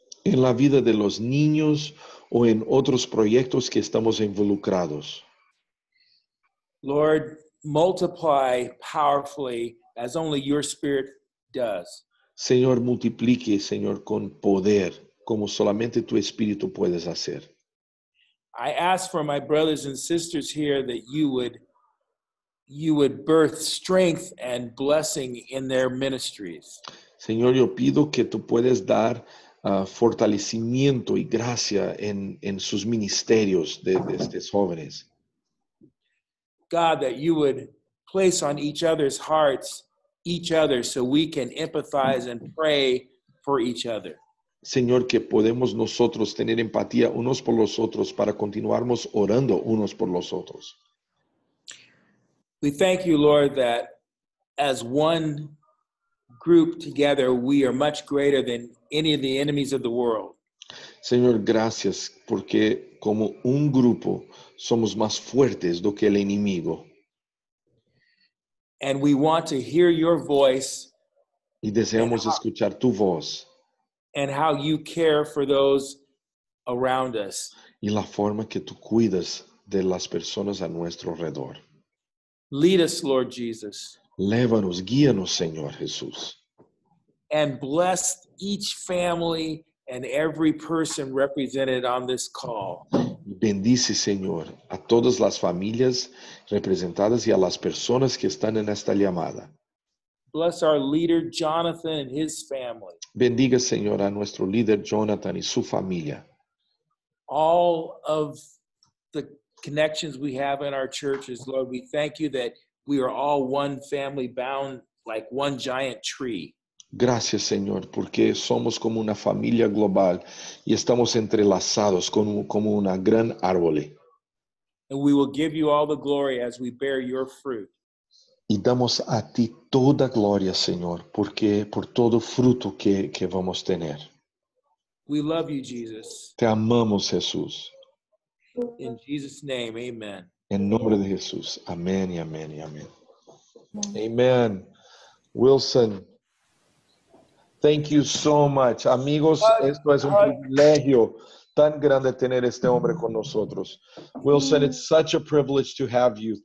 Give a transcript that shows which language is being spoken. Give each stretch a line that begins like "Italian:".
Spanish: En la vida de los niños o en otros proyectos que estamos involucrados.
English: Lord, multiply powerfully as only your spirit does.
Spanish: Señor, multiplique, Señor, con poder, como solamente tu espíritu puedes hacer.
English: I ask for my brothers and sisters here that you would birth strength and blessing in their ministries.
Spanish: Señor, yo pido que tú puedes dar fortalecimiento y gracia en sus ministerios de estos jóvenes.
English: God, that you would place on each other's hearts each other so we can empathize and pray for each other.
Spanish: Señor, que podemos nosotros tener empatía unos por los otros para continuarmos orando unos por los otros.
English: We thank you, Lord, that as one group together, we are much greater than any of the enemies of the world.
Spanish: Señor, gracias porque como un grupo somos más fuertes do que el enemigo.
English: And we want to hear your voice.
Spanish: Y deseamos escuchar tu voz.
English: And how you care for those around us.
Spanish: Y la forma que tú cuidas de las personas a nuestro alrededor.
English: Lead us, Lord Jesus.
Spanish: Lévanos, guíanos, Señor Jesús.
English: And bless each family and every person represented on this call.
Spanish: Bendice, Señor, a todas las familias representadas y a las personas que están en esta llamada.
English: Bless our leader Jonathan and his family.
Spanish: Bendiga, Señor, a nuestro líder Jonathan y su familia.
English: All of the connections we have in our churches, Lord, we thank you that we are all one family bound like one giant tree.
Spanish: Gracias, Señor, porque somos como una familia global y estamos entrelazados como una gran árbol.
English: And we will give you all the glory as we bear your fruit.
Spanish: Y damos a ti toda gloria, Señor, porque por todo fruto que vamos tener.
English: We love you, Jesus.
Spanish: Te amamos, Jesús.
English: In Jesus' name, amen.
Spanish: En nombre de Jesús. Amén y amén y amén. Amen.
English: Wilson, thank you so much.
Spanish: Amigos, esto es un privilegio tan grande tener este hombre con nosotros.
English: Wilson, it's such a privilege to have you.